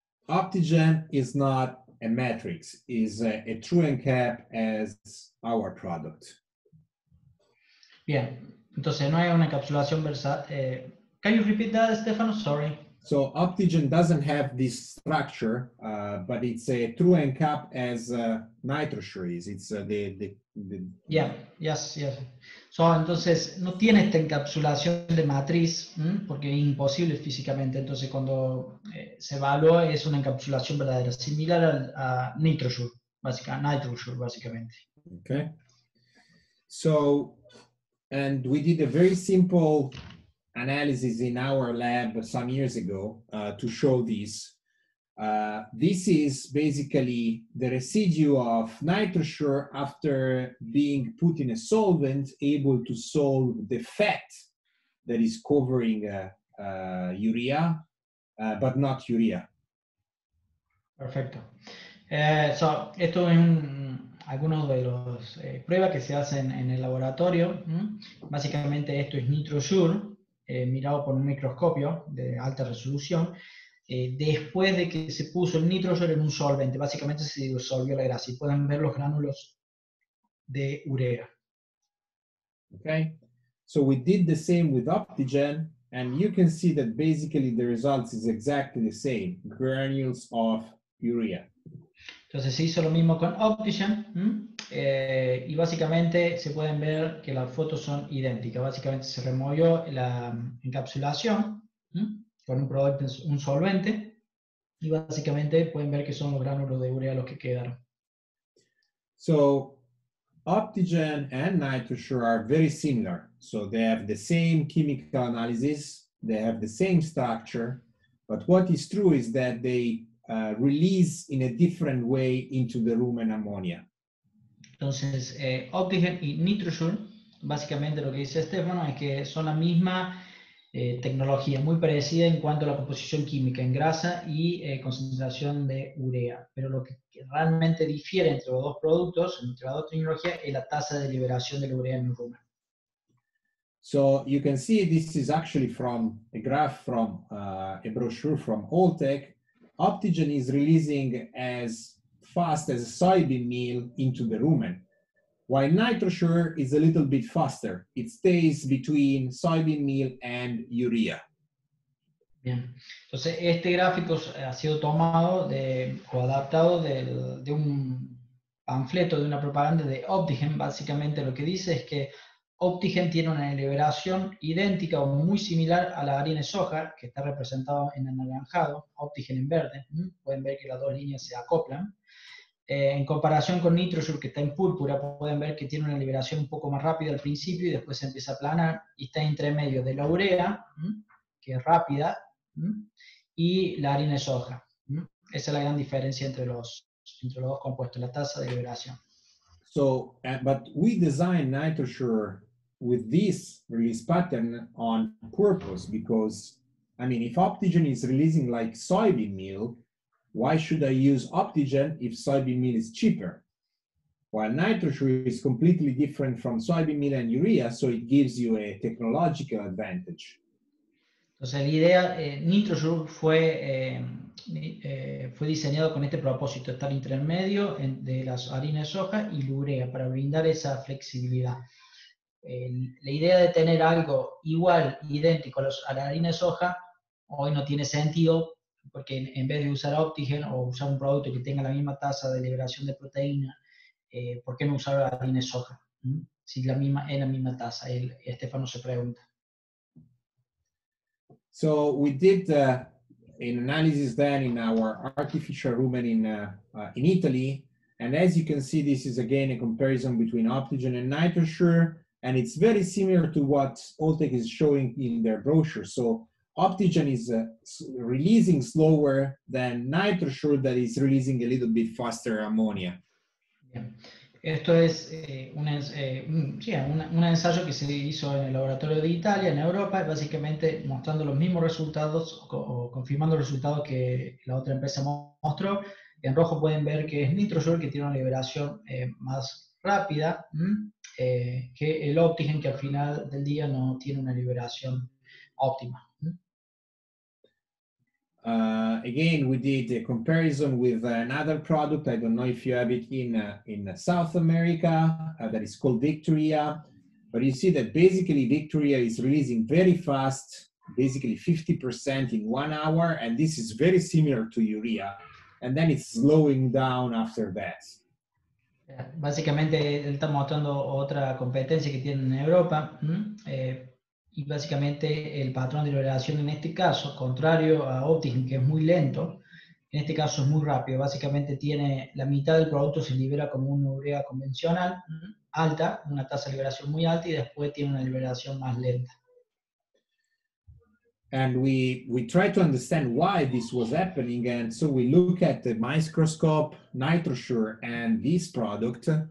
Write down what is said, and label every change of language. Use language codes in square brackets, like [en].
[en] Optigen is not a matrix, is a true NCAP as our product. [es] Bien, entonces no hay una encapsulación [en] can you repeat that, Stefano? Sorry. So Optigen doesn't have this structure, but it's a true NCAP as NitroSure is. It's the yeah, yes. [es] So entonces no tiene esta encapsulación de matriz, porque es imposible físicamente. Entonces cuando se evalúa es una encapsulación verdadera, similar a NitroSure, básicamente. [en] Okay. So, and we did a very simple analysis in our lab some years ago to show this. This is basically the residue of NitroSure after being put in a solvent able to solve the fat that is covering urea, but not urea. [es] Perfecto. So, esto es algunos de los pruebas que se hacen en el laboratorio. Básicamente esto es NitroSure. Mirado por un microscopio de alta resolución, después de que se puso el NitroSure en un solvente, básicamente se disolvió la grasa, y pueden ver los gránulos de urea. [en] Okay, so we did the same with Optigen, and you can see that basically the results is exactly the same, granules of urea. [es] Entonces se hizo lo mismo con Optigen, y básicamente se pueden ver que las fotos son idénticas. Básicamente se removió la encapsulación con un producto, un solvente, y básicamente pueden ver que son los gránulos de urea los que quedaron. [en] So, Optigen and NitroSure are very similar. So they have the same chemical analysis, they have the same structure, but what is true is that they release in a different way into the rumen ammonia. [es] Entonces, Optigen y NitroSure, básicamente lo que dice Stefano es que son la misma tecnología, muy parecida en cuanto a la composición química en grasa y concentración de urea. Pero lo que realmente difiere entre los dos productos, entre las dos tecnologías, es la tasa de liberación de la urea en el rumen. [en] So you can see this is actually from a graph from a brochure from Holtec. Optigen is releasing as fast as a soybean meal into the rumen, while NitroSure is a little bit faster. It stays between soybean meal and urea. [es] Bien. Entonces, este gráfico ha sido tomado adaptado de un panfleto, de una propaganda de Optigen. Básicamente lo que dice es que Optigen tiene una liberación idéntica o muy similar a la harina de soja, que está representado en anaranjado, Optigen en verde. Pueden ver que las dos líneas se acoplan. En comparación con NitroSure, que está en púrpura, pueden ver que tiene una liberación un poco más rápida al principio y después se empieza a aplanar, y está entre medio de la urea, que es rápida, y la harina de soja. Esa es la gran diferencia entre los dos compuestos, la tasa de liberación. [en] So, but we designed NitroSure with this release pattern on purpose because, I mean, if Optigen is releasing like soybean meal, why should I use Optigen if soybean meal is cheaper? While NitroSure is completely different from soybean meal and urea, so it gives you a technological advantage. [es] Entonces, la idea, NitroSure fue diseñado con este propósito, estar entre el medio de las harinas de soja y la urea, para brindar esa flexibilidad. La idea de tener algo igual, idéntico a la harina de soja, hoy no tiene sentido, porque en vez de usar Optigen o usar un producto que tenga la misma tasa de liberación de proteína, ¿por qué no usar la harina de soja? Si es la misma tasa, Estefano se pregunta. [en] So we did an analysis then in our artificial rumen in Italy. And as you can see, this is again a comparison between Optigen and NitroSure. And it's very similar to what Holtec is showing in their brochure. So Optigen is releasing slower than NitroSure, that is releasing a little bit faster ammonia. Yeah. [es] Esto es un ensayo que se hizo en el laboratorio de Italia, en Europa, básicamente mostrando los mismos resultados, o confirmando los resultados que la otra empresa mostró. En rojo pueden ver que es NitroSure, que tiene una liberación más rápida que el Optigen, que al final del día no tiene una liberación óptima. [en] Again, we did a comparison with another product. I don't know if you have it in South America, that is called Victoria. But you see that basically Victoria is releasing very fast, basically 50% in 1 hour. And this is very similar to urea. And then it's slowing down after that. [es] Básicamente, él está mostrando otra competencia que tiene en Europa. Y básicamente, el patrón de liberación en este caso, contrario a Optigen, que es muy lento, en este caso es muy rápido. Básicamente, tiene la mitad del producto se libera como una urea convencional, alta, una tasa de liberación muy alta, y después tiene una liberación más lenta. [en] And we try to understand why this was happening, and so we look at the microscope, NitroSure, and this product.